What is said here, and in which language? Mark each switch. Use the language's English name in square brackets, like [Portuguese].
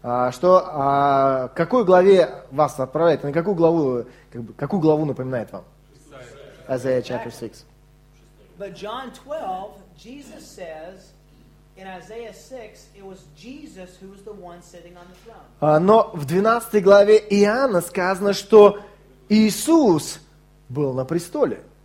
[Russian] Что, какой главе вас отправляет? На какую главу, как бы, какую главу напоминает вам? [English] Isaiah chapter 6. But John 12, Jesus says, in Isaiah 6, it was Jesus who was the one sitting on the throne. [Russian] Но в 12 главе Иоанна сказано, что Иисус был на престоле.